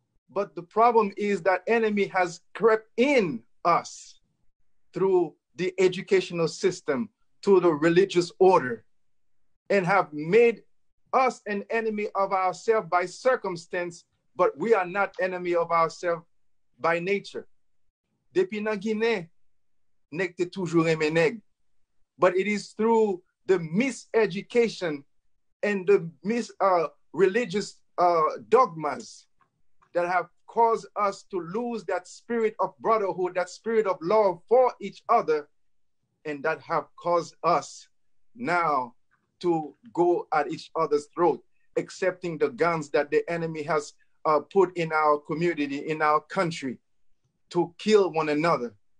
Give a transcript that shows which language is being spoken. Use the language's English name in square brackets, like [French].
[English] But the problem is that enemy has crept in us through the educational system, to the religious order, and have made us an enemy of ourselves by circumstance, but we are not enemy of ourselves by nature. [Haitian Creole] Depuis la Guinée, nèg te toujours aimé nèg. [English] But it is through the miseducation and the religious dogmas that have caused us to lose that spirit of brotherhood, that spirit of love for each other, and that have caused us now to go at each other's throat, accepting the guns that the enemy has put in our community, in our country, to kill one another.